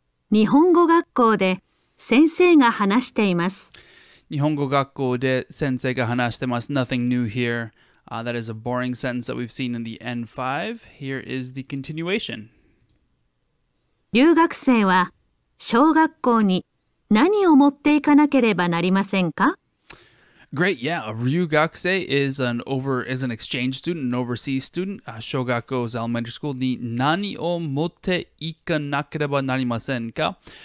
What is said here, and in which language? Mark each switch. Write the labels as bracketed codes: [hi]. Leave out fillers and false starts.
[ja] 日本語学校で先生が話しています。日本語学校で先生が話してます。 [en] Nothing new here. That is a boring sentence that we've seen in the N5. Here is the continuation. [ja] 留学生は小学校に何を持っていかなければなりませんか? [en] Great, yeah. A 留学生 is an exchange student, an overseas student. 小学校 is elementary school. [ja] に何を持っていかなければなりませんか?